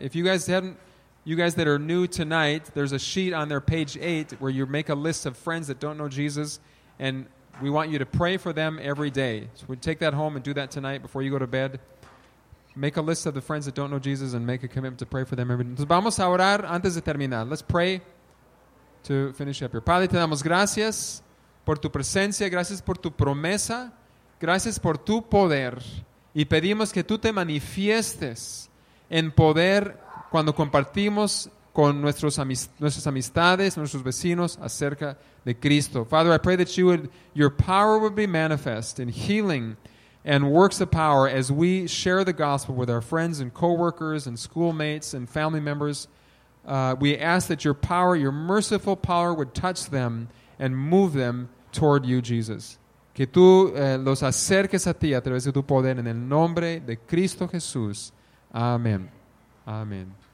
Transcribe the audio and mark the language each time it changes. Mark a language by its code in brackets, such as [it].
[en] If you guys haven't, you guys that are new tonight, there's a sheet on there, page 8, where you make a list of friends that don't know Jesus, and we want you to pray for them every day. So we take that home and do that tonight before you go to bed. Make a list of the friends that don't know Jesus and make a commitment to pray for them every day. [es] Entonces vamos a orar antes de terminar. [en] Let's pray to finish up here. [es] Padre, te damos gracias por tu presencia, gracias por tu promesa, gracias por tu poder. Y pedimos que tú te manifiestes en poder cuando compartimos con nuestras amistades, nuestros vecinos acerca de Cristo. [en] Father, I pray that your power would be manifest in healing and works of power as we share the gospel with our friends and coworkers and schoolmates and family members. We ask that your power, your merciful power, would touch them and move them toward you, Jesus. [es] Que tú los acerques a ti a través de tu poder en el nombre de Cristo Jesús. Amén. Amén.